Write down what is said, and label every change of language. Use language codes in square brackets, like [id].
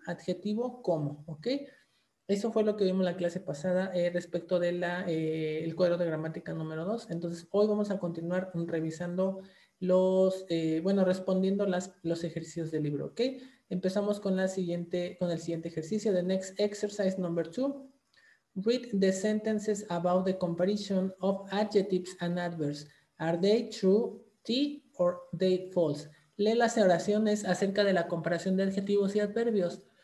[es] Adjetivo como, ¿ok? Eso fue lo que vimos en la clase pasada respecto de el cuadro de gramática número 2. Entonces, hoy vamos a continuar revisando respondiendo los ejercicios del libro, ¿ok? Empezamos con el siguiente ejercicio, [en] the next exercise number 2. Read the sentences about the comparison of adjectives and adverbs. Are they true, T, or they false? [es] Lee las oraciones acerca de la comparación de adjetivos y adverbios.